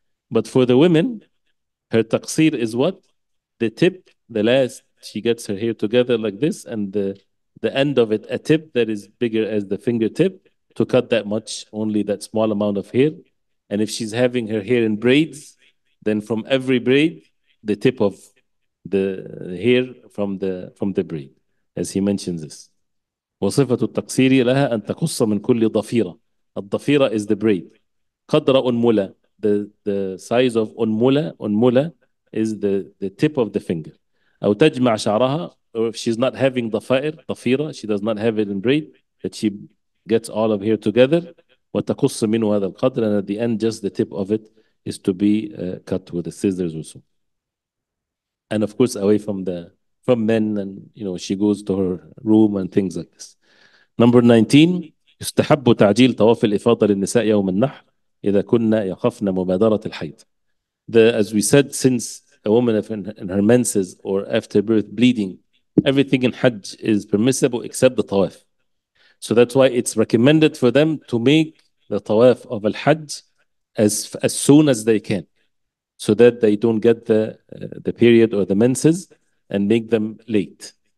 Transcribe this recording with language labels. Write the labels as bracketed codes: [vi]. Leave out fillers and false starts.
[en] But for the women, her taqsir is what? The tip, the last, she gets her hair together like this, and the end of it, a tip that is bigger as the fingertip, to cut that much, only that small amount of hair. And if she's having her hair in braids, then from every braid, the tip of the hair from the braid, as he mentions this. [ar] وصفة التقصير لها أن تقص من كل ضفيرة. [en] الضفيرة is the braid. [ar] قدر أنملة, [en] the size of أنملة, أنملة is the tip of the finger. [ar] أو تجمع شعرها, [en] or if she's not having ضفائر, ضفيرة, she does not have it in braid, that she gets all of hair together. [ar] وتقص منه هذا القدر, [en] and at the end, just the tip of it is to be cut with the scissors or so. And of course, away from the from men, and you know, she goes to her room and things like this. Number 19, [ar] يستحب تعجيل طواف الإفاضة للنساء يوم النحر إذا كنا يخفن مبادرة الحيض. [en] As we said, since a woman in her menses or after birth bleeding, everything in Hajj is permissible except the tawaf. So that's why it's recommended for them to make the tawaf of al-Hajj as soon as they can, so that they don't get the period or the menses and make them late.